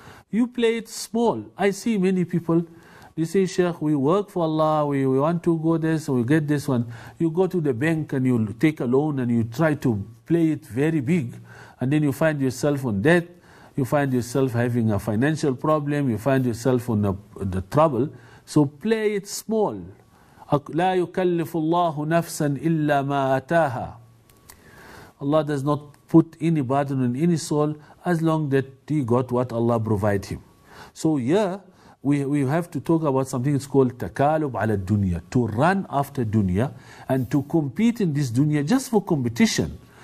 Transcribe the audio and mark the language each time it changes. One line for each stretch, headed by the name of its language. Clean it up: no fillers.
English: You play it small. I see many people, they say, Sheikh, we work for Allah, we want to go this, we get this one. You go to the bank and you take a loan and you try to play it very big. And then you find yourself on debt, you find yourself having a financial problem, you find yourself on the trouble. So play it small.
Arabic: لا يكلف الله نفسا إلا ما أتاها.
English: Allah does not put any burden on any soul as long that he got what Allah provided him. So yeah, we have to talk about something. It's called takalub ala dunya, to run after dunya and to compete in this dunya just for competition.